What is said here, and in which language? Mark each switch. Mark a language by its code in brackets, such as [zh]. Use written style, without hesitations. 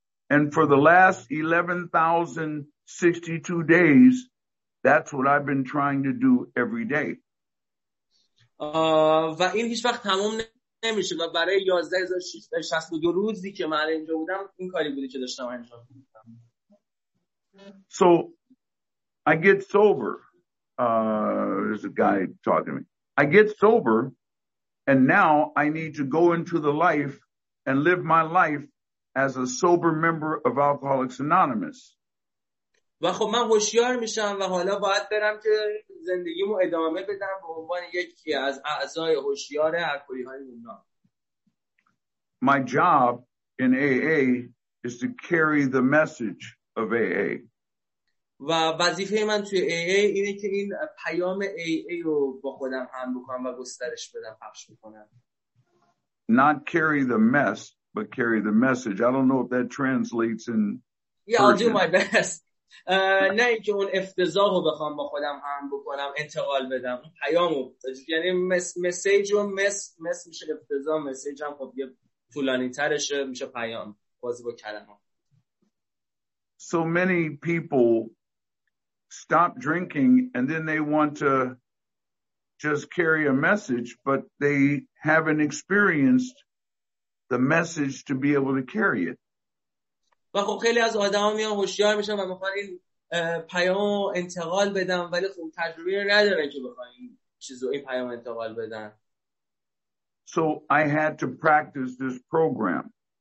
[en] And for the last 11,000 62 days, that's what I've been trying to do every day. [fa] و این هیچ وقت تموم نمیشه و برای 11,662 روزی که من اینجا بودم این کاری بودی که داشتم انجام میدادم. [en] So I get sober. There's a guy talking to me. I get sober and now I need to go into the life and live my life as a sober member of Alcoholics Anonymous. [fa] و خب من هوشیار میشم و حالا باید برم که زندگیمو ادامه بدم به عنوان یکی از اعضای هوشیار الکلی‌های اونا. [en] My job in AA is to carry the message of AA. [fa] و وظیفه من توی AA اینه که این پیام AA رو با خودم هم بکنم و گسترش بدم، پخش بکنم. [en] Not carry the mess, but carry the message. I don't know if that translates in Persian. Yeah, I'll do my best. [fa] نه اینکه اون افتضاح رو بخوام با خودم هم بکنم، انتقال بدم پیامو، یعنی مسیج رو مس میشه افتضاح، مسیج هم خب یه طولانی ترشه میشه پیام، بازی با کلمه. [en] So many people stop drinking and then they want to just carry a message but they haven't experienced the message to be able to carry it. [fa] و خب خیلی از آدم ها میان هوشیار میشن و میخوان این پیامو انتقال بدن ولی خب تجربه ندارن که بخوان این چیزو، این پیام انتقال بدن. [en] So I had to practice this program.